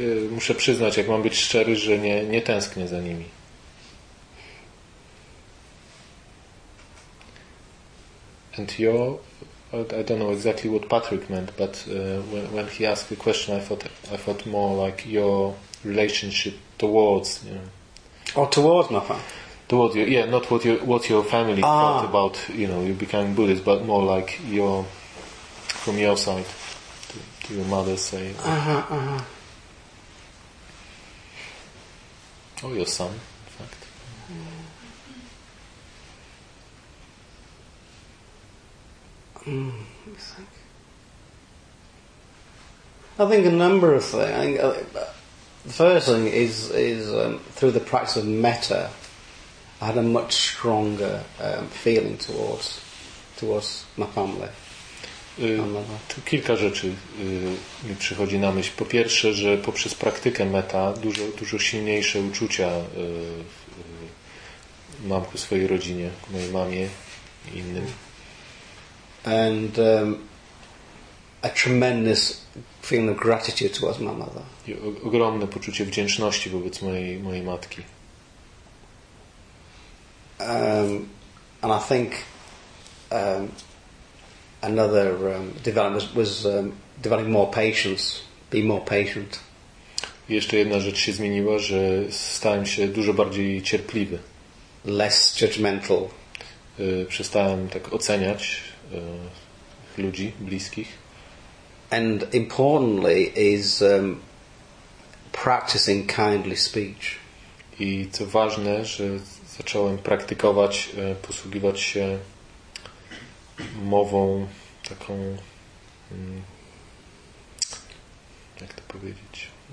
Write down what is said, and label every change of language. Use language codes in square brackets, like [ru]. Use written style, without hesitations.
[pl] Muszę przyznać, jak mam być szczery, że nie tęsknię za nimi. [en] And I don't know exactly what Patrick meant, but when he asked the question, I thought more like your relationship towards, you know. Or towards my family. Towards you, yeah, not what your family thought about, you know, you becoming Buddhist, but more like your from your side. Your mother say. Uh-huh, uh-huh. Or your son, in fact. I think a number of things. The first thing is through the practice of metta, I had a much stronger feeling towards my family. [pl] Kilka rzeczy mi przychodzi na myśl. Po pierwsze, że poprzez praktykę metta dużo, dużo silniejsze uczucia mam ku swojej rodzinie, ku mojej mamie i innym. [en] And a tremendous feeling of gratitude towards my mother. [pl] I ogromne poczucie wdzięczności wobec mojej matki. [en] And I think another development was developing more patience, be more patient. [pl] Jeszcze jedna rzecz się zmieniła, że stałem się dużo bardziej cierpliwy. [en] Less judgmental. [pl] Przestałem tak oceniać ludzi bliskich. [en] And importantly is practicing kindly speech. [pl] I co ważne, że zacząłem praktykować, posługiwać się mową taką, jak to powiedzieć?